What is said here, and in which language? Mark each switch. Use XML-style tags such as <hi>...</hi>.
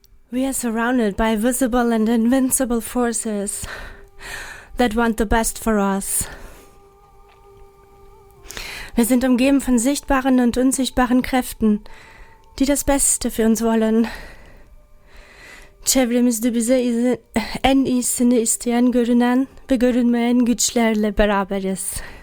<en>We are surrounded by visible and invincible forces that want the best for us.</en> <de>Wir sind umgeben von sichtbaren und unsichtbaren Kräften, die das Beste für uns wollen.</de> <tr>Chevremiz de bize en iyisini isteyen görünen ve görünmeyen güçlerle beraberiz.</tr>